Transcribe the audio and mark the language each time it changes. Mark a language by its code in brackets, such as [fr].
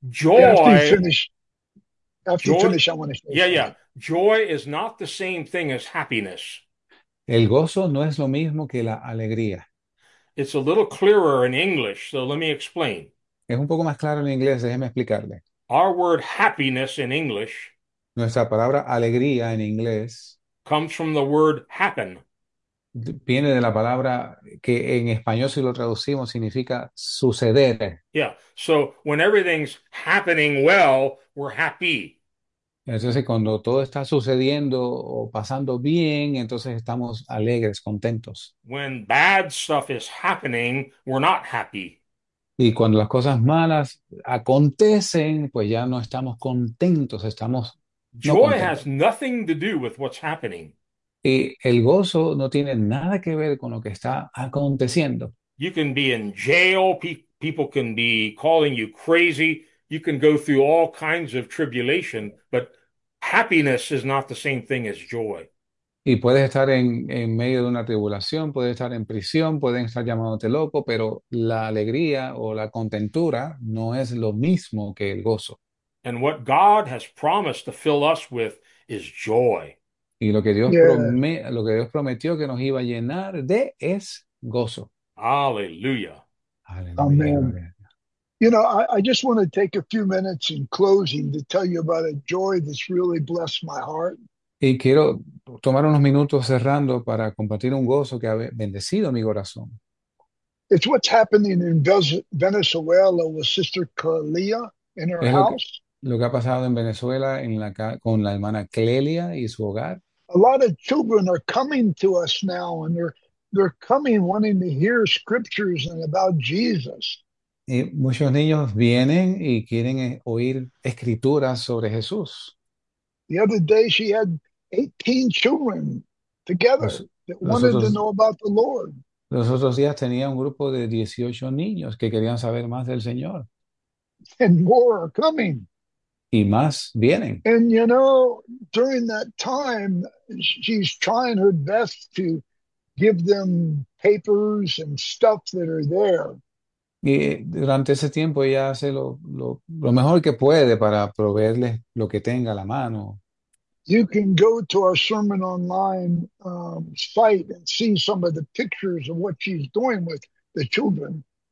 [en] Joy. After you Joy. finish, I want to say Yeah. something. Joy is not the same thing as happiness. [es] El gozo no es lo mismo que la alegría. [en] It's a little clearer in English, so let me explain. [es] Es un poco más claro en inglés, déjeme explicarle. [en] Our word happiness in English [es] Nuestra palabra alegría en inglés [en] comes from the word happen. [es] viene de la palabra que en español, si lo traducimos, significa suceder. [en] Yeah, so when everything's happening well, we're happy. [es] Entonces, cuando todo está sucediendo o pasando bien, entonces estamos alegres, contentos. [en] When bad stuff is happening, we're not happy. [es] Y cuando las cosas malas acontecen, pues ya no estamos contentos, estamos no [en] Joy has [es] contentos. [en] nothing to do with what's happening. [es] Y el gozo no tiene nada que ver con lo que está aconteciendo. [en] You can be in jail. People can be calling you crazy. You can go through all kinds of tribulation, but happiness is not the same thing as joy. [es] Y puedes estar en medio de una tribulación, puedes estar en prisión, pueden estar llamándote loco, pero la alegría o la contentura no es lo mismo que el gozo. [en] And what God has promised to fill us with is joy. [es] Y lo que Dios [en] Yeah. [es] prometió que nos iba a llenar de es gozo. [en] Hallelujah. [es] Aleluya, [en] Amen. [es] gloria a Dios. [en] I just want to take a few minutes in closing to tell you about a joy that's really blessed my heart. [es] Y quiero tomar unos minutos cerrando para compartir un gozo que ha bendecido mi corazón. [en] It's what's happening in Venezuela with Sister Kalia in her [es] Es [en] house. [es] lo que ha pasado en Venezuela en la con la hermana Clelia y su hogar. [en] A lot of children are coming to us now, and they're coming wanting to hear scriptures and about Jesus. [es] Y muchos niños vienen y quieren oír escrituras sobre Jesús. [en] The other day she had 18 children together that wanted to know about the Lord. [es] Los otros días tenía un grupo de 18 niños que querían saber más del Señor. [en] And more are coming. [es] Y más vienen. [en] And during that time, she's trying her best to give them papers and stuff that are there. [es] Y durante ese tiempo ella hace lo mejor que puede para proveerles lo que tenga a la mano. [en] You can go to our sermon online site and see some of the pictures of what she's doing with the children.